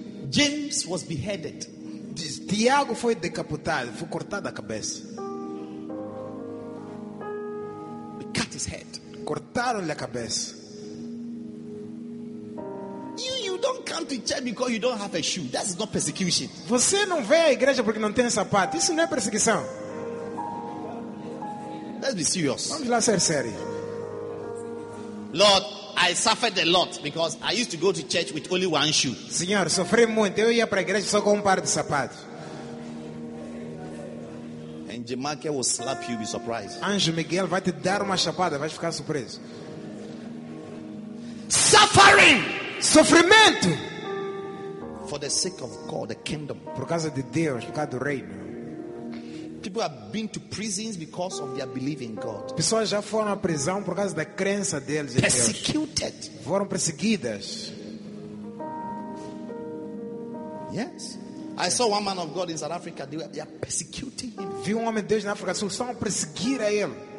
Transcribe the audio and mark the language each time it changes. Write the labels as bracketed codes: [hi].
[en] James was beheaded. [pt] Tiago foi decapitado, foi cortado a cabeça. [en] We cut his head. [pt] Cortaram-lhe a cabeça. [en] You don't come to church because you don't have a shoe. That's not persecution. [pt] Você não vem à igreja porque não tem sapato. Isso não é perseguição. [en] Let's be serious. [pt] Vamos lá ser sério. [en] Lord, I suffered a lot because I used to go to church with only one shoe. [pt] Senhor, sofri muito. Eu ia para a igreja só com par de sapatos. [en] And Jemake will slap you, be surprised. [pt] Anjo Miguel vai te dar uma chapada, vai ficar surpreso. [en] Suffering, [pt] sofrimento. [en] For the sake of God, the kingdom. [pt] Por causa de Deus, por causa do reino. [en] People have been to prisons because of their belief in God. [pt] Pessoas já foram à prisão por causa da crença deles em Deus. [en] Persecuted. [pt] Foram perseguidas. [en] Yes. I saw one man of God in South Africa. They are persecuting him. [pt] Vi um homem de Deus na África do Sul, estão a perseguir a ele.